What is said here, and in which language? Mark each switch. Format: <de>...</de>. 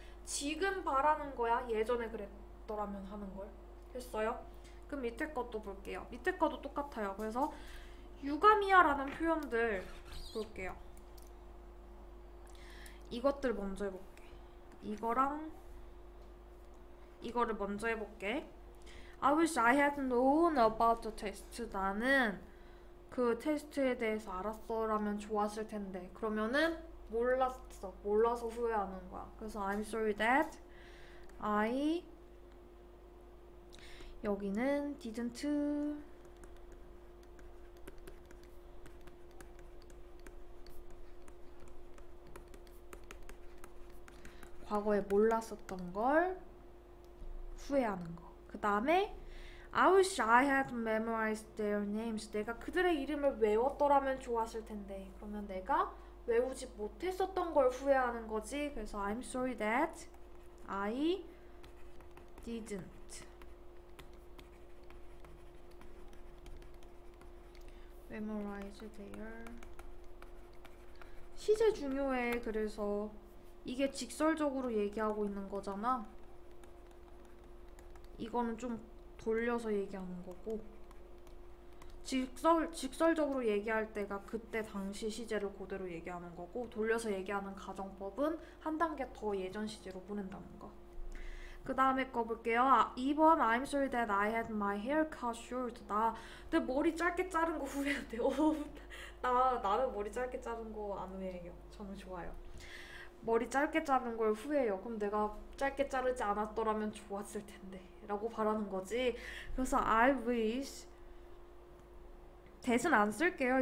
<ko>지금 바라는 거야. 예전에 그랬더라면 하는 걸. 됐어요? 그럼 밑에 것도 볼게요. 밑에 것도 똑같아요. 그래서 유감이야라는 표현들 볼게요. 이것들 먼저 해볼게. 이거랑 이거를 먼저 해볼게.</ko> <en>I wish I had known about the test.</en> <ko>나는 그 테스트에 대해서 알았더라면 좋았을 텐데. 그러면은 몰랐어. 몰라서 후회하는 거야. 그래서</ko> <en>I'm sorry that I</en> <ko>여기는</ko> <en>didn't</en> <ko>과거에 몰랐었던 걸 후회하는 거. 그 다음에</ko> <en>I wish I had memorized their names.</en> <ko>내가 그들의 이름을 외웠더라면 좋았을 텐데. 그러면 내가 외우지 못했었던 걸 후회하는 거지. 그래서</ko> <en>I'm sorry that I didn't.</en> <ko>메모라이즈 되어 시제 중요해. 그래서 이게 직설적으로 얘기하고 있는 거잖아. 이거는 좀 돌려서 얘기하는 거고, 직설적으로 얘기할 때가 그때 당시 시제를 그대로 얘기하는 거고, 돌려서 얘기하는 가정법은 한 단계 더 예전 시제로 보낸다는 거. 그 다음에 거 볼게요.</ko> <en>2번, I'm sorry that I had my hair cut short.</en> <ko>나, 내 머리 짧게 자른 거 후회한대. 나는 머리 짧게 자른 거안 후회해요. 저는 좋아요. 머리 짧게 자른 걸 후회해요. 그럼 내가 짧게 자르지 않았더라면 좋았을 텐데. 라고 바라는 거지. 그래서</ko> <en>I wish.</en> <ko>대신 안 쓸게요.</ko>